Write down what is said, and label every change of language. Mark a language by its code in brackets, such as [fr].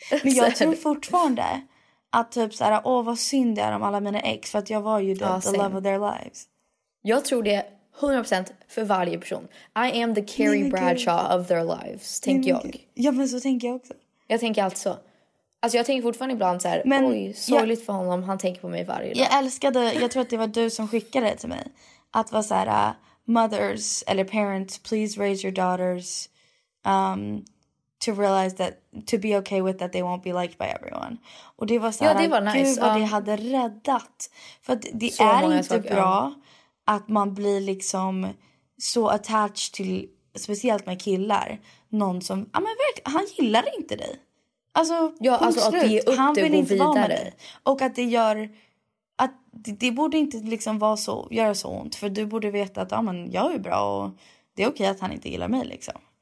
[sv] Men jag tror fortfarande... Att typ så här... Åh, vad synd det är om alla mina ex. För att jag var ju the love of their lives. Jag tror det 100% för varje person. [en] I am the Carrie Bradshaw of their lives. [sv] Tänker jag. Ja, men så tänker jag också. Jag tänker alltså... Alltså jag tänker fortfarande ibland så här, men, oj, sorgligt för honom, han tänker på mig varje dag. Jag älskade, jag tror att det var du som skickade det till mig. [en] Att vara så här, mothers eller parents, please raise your daughters to realize that, to be okay with that they won't be liked by everyone. [sv] Och det var så här, ja, det var nice. Gud vad det hade räddat. För att det så är inte saker, bra att man blir liksom så attached till, speciellt med killar, någon som, ja men verkligen, han gillar inte dig. Alltså, ja, alltså att det är upp han det vill inte vidare. Vara med dig. Och att det gör att det borde inte liksom vara så, göra så ont, för du borde veta att ja, men jag är bra och det är okej att han inte gillar mig liksom.